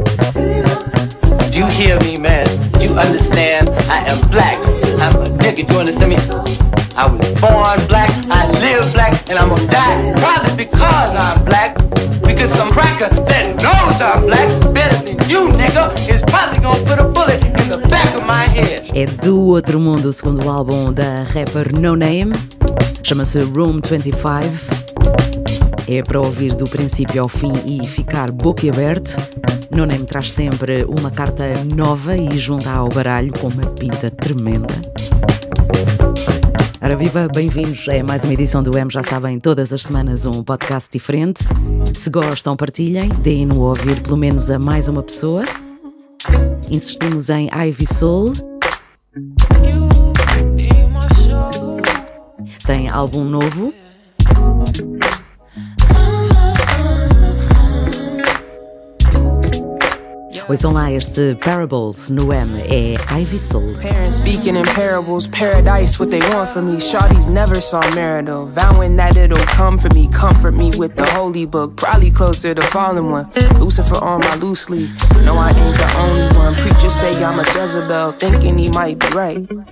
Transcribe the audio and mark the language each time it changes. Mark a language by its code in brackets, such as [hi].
[en] Do you hear me, man? Do you understand? I am black. I'm a nigga, do you understand me? I was born black, I live black, and I'm gonna die probably because I'm black. Because some cracker that knows I'm black better than you, nigga, is probably gonna put a bullet in the back of my head. [pt] É do outro mundo o segundo álbum da rapper No Name. Chama-se Room 25. É para ouvir do princípio ao fim e ficar boquiaberto. No Name traz sempre uma carta nova e junta ao baralho com uma pinta tremenda. Ora viva, bem-vindos a mais uma edição do M. Já sabem, todas as semanas um podcast diferente. Se gostam, partilhem, deem-no a ouvir pelo menos a mais uma pessoa. Insistimos em Ivy Soul. Tem álbum novo. Pois são lá este Parables no M, é Ivy Soul. [en] Parents speaking in parables, paradise, what they want from me. Shawty's never saw marital, vowing that it'll come for me. Comfort me with the holy book, probably closer to fallen one. Lucifer on my loosely, no, I ain't the only one. Preachers say I'm a Jezebel, thinking he might be right.